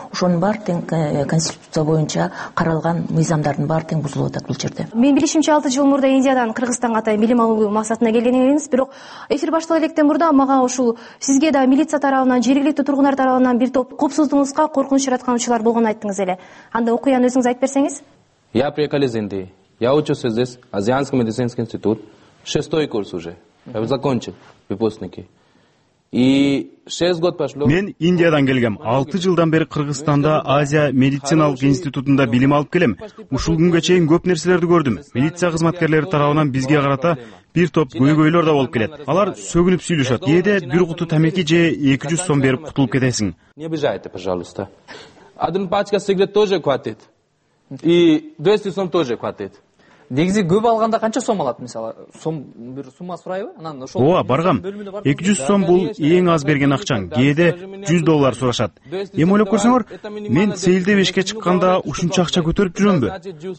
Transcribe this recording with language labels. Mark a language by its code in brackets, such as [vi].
[ky] Ошонун баары тең конституция боюнча каралган мыйзамдардын баары тең бузулуп атат бул жерде. Мен билишимче 6 жыл мурда Индиядан Кыргызстанга атайын билим алуу максатына келген элеңиз, бирок эфир баштала электен мурда мага ушул сизге да милиция тарабынан, жергиликтүү тургундар тарабынан бир топ коопсуздугуңузга коркунуч жараткан учурлар болгонун айттыңыз эле. Анда окуяны өзүңүз айтып берсеңиз. [ru] Я приехал из Индии. Я учусь здесь, Азианский медицинский институт. 6-й курс уже. Я закончил, выпускники. И 6 год прошло. [ky] Мен Индиядан келгем. 6 жылдан бери Кыргызстанда Азия медициналык институтунда билим алып келем. Ушул күнгө чейин көп нерселерди көрдүм. Милиция кызматкерлери тарабынан бизге карата бир топ көйгөйлөр да болуп келет. Алар сөгүнүп сүйлөшөт. Эде бир куту тамеки же 200 сом берип кутулуп кетесиң. [ru] Не обижайте, пожалуйста. Один пачка сигарет тоже хватит. И 200 сом тоже хватит. [ky] Негизи көп алганда канча сом алат мисалы? Сом бир сумма сурайбы? Анан ошол. Ооба, баргам. 200 сом бул эң аз берген акчаң. Кээде 100 доллар сурашат. Эми ойлоп көрсөңөр, мен сейилде бешке чыкканда ушунча акча көтөрүп жүрөмбү?